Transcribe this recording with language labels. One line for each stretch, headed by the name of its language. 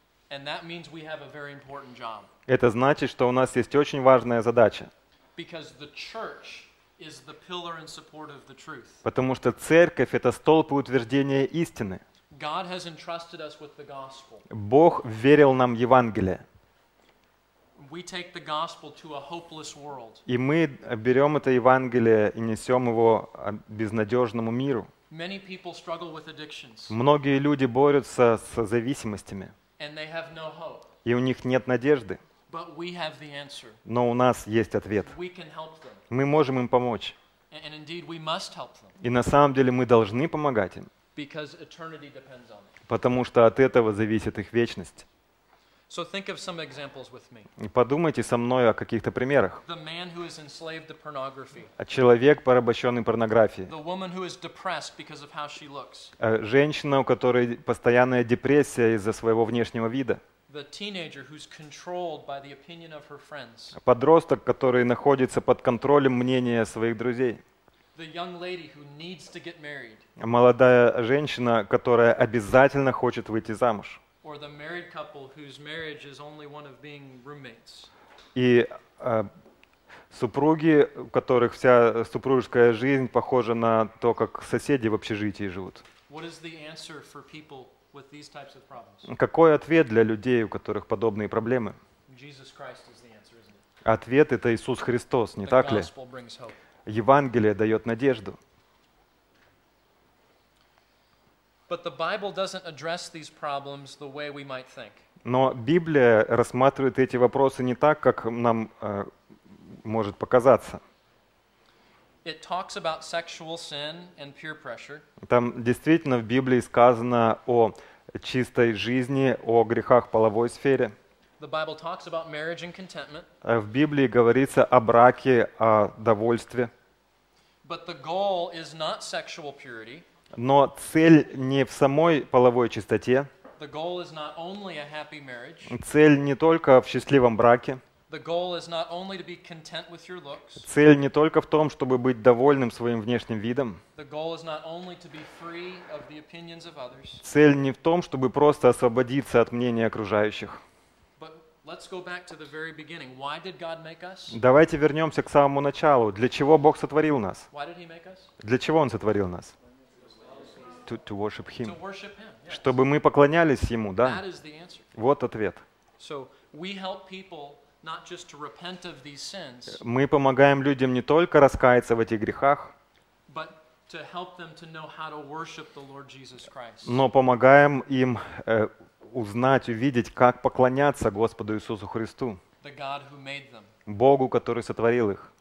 English: And that means we have a very important job.
Russian: Это значит, что у нас есть очень важная задача.
English: Because the church is the pillar and support of the truth.
Russian: Потому что церковь — это столб и утверждение истины.
English: God has entrusted us with the gospel.
Russian: Бог верил нам Евангелие.
English: We take the gospel to a hopeless world.
Russian: И мы берем это Евангелие и несем его безнадежному миру.
English: Many people struggle with addictions.
Russian: Многие люди борются с зависимостями.
English: And they have no hope.
Russian: И у них нет надежды.
English: But we have the answer.
Russian: Но у нас есть ответ.
English: We can help them.
Russian: Мы можем им помочь.
English: And indeed we must help them.
Russian: И на самом деле мы должны помогать им.
English: Because eternity depends on it.
Russian: Потому что от этого зависит их вечность.
English: So think of some examples with me.
Russian: Подумайте со мной о каких-то примерах.
English: The man who is enslaved to pornography.
Russian: Человек, порабощенный порнографией.
English: The woman who is depressed because of how she looks.
Russian: Женщина, у которой постоянная депрессия из-за своего внешнего вида.
English: The teenager who's controlled by the opinion of her friends.
Russian: Подросток, который находится под контролем мнения своих друзей.
English: The young lady who needs to get married.
Russian: Молодая женщина, которая обязательно хочет выйти замуж.
English: Or the married couple whose marriage is only one of being roommates.
Russian: И супруги, у которых вся супружеская жизнь похожа на то, как соседи в общежитии живут.
English: What is the answer for people with these types of problems?
Russian: Какой ответ для людей, у которых подобные проблемы?
English: Jesus Christ is the answer, isn't it?
Russian: Ответ — это Иисус Христос, не так ли?
English: The gospel brings hope.
Russian: Евангелие дает надежду.
English: But the Bible doesn't address these problems the way we might think.
Russian: Но Библия рассматривает эти вопросы не так, как нам может показаться.
English: It talks about sexual sin and peer pressure.
Russian: Там действительно в Библии сказано о чистой жизни, о грехах половой сфере.
English: The Bible talks about marriage and contentment.
Russian: В Библии говорится о браке, о довольстве.
English: But the goal is not sexual purity.
Russian: Но цель не в самой половой чистоте.
English: The goal is not only a happy marriage.
Russian: Цель не только в счастливом браке.
English: The goal is not only to be content with your looks.
Russian: Цель не только в том, чтобы быть довольным своим внешним видом.
English: The goal is not only to be free of the opinions of others.
Russian: Цель не в том, чтобы просто освободиться от мнения окружающих.
English: But let's go back to the very beginning. Why did God make us?
Russian: Давайте вернемся к самому началу. Для чего Бог сотворил нас?
English: Why did he make us?
Russian: Для чего Он сотворил нас?
English: To worship him. To worship him, yes.
Russian: Чтобы мы поклонялись Ему, да?
English: That is the answer.
Russian: Вот ответ.
English: So we help people not just to repent of these sins.
Russian: Мы помогаем людям не только раскаяться в этих грехах,
English: but to help them to know how to worship the Lord Jesus Christ.
Russian: Но помогаем им узнать, увидеть, как поклоняться Господу Иисусу Христу.
English: The God who made them.
Russian: Богу, который сотворил их.